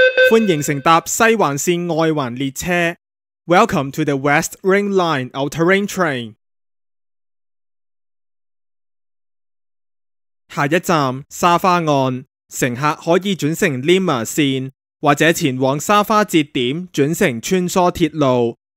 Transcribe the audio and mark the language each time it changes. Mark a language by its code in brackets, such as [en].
[zh] 欢迎乘搭西环线外环列车。 [en] Welcome to the West Ring Line All-Terrain Train. [zh] 下一站沙花岸，乘客可以转乘 Lima 线，或者前往沙花节点转乘穿梭铁路。